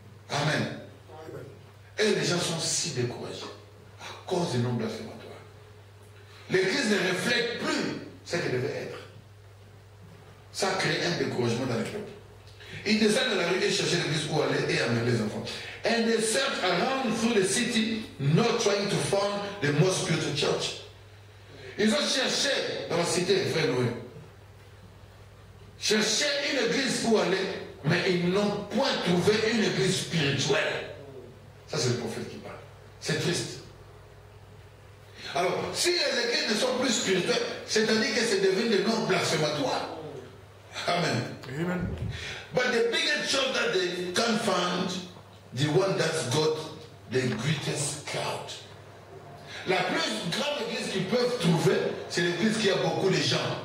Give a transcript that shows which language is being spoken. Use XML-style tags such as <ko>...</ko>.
<fr>Amen. Et les gens sont si découragés à cause du nombre d'affirmatoires. L'église ne reflète plus ce qu'elle devait être. Ça crée un découragement dans le peuple. Ils descendent dans la rue et cherchent l'église où aller et amener les enfants.</fr> <en>And they search around through the city, not trying to find the most beautiful church.</en> <fr>Ils ont cherché dans la cité, frère Noé. Cherché une église où aller, mais ils n'ont point trouvé une église spirituelle. Ça, c'est le prophète qui parle. C'est triste. Alors, si les églises ne sont plus spirituelles, c'est-à-dire que c'est devenu des noms blasphématoires. Amen. Amen.</fr> <en>But the biggest church that they can find, the one that's got the greatest crowd.</en> <fr>La plus grande église qu'ils peuvent trouver, c'est l'église qui a beaucoup de gens.</fr>